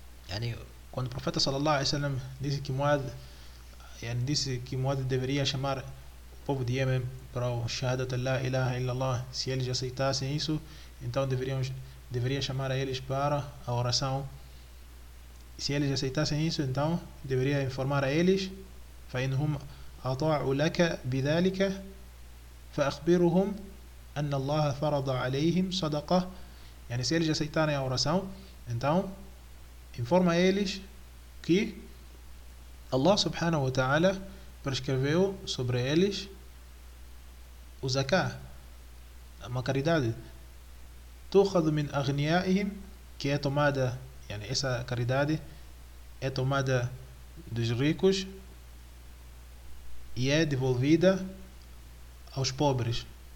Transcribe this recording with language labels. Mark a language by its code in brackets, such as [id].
[pt] يعني quando o profeta sallallahu alaihi wasallam disse que Muad, yani disse que Muad deveria chamar o povo de Yemen para o Shahadat la ilaha illallah, se eles aceitassem isso, então deveria chamar a eles para a oração. Se eles aceitassem isso, então deveria informar a eles, [ar] فإنهم أطاعوا لك بذلك فأخبرهم أن الله فرض عليهم صدقة. [pt] Yani se eles aceitarem a oração, então informa a eles que Allah subhanahu wa ta'ala prescreveu sobre eles o zaká, uma caridade. [ar] Tukhadhu min aghniyaihim, [pt] que é tomada, yani essa caridade é tomada dos ricos e é devolvida aos pobres.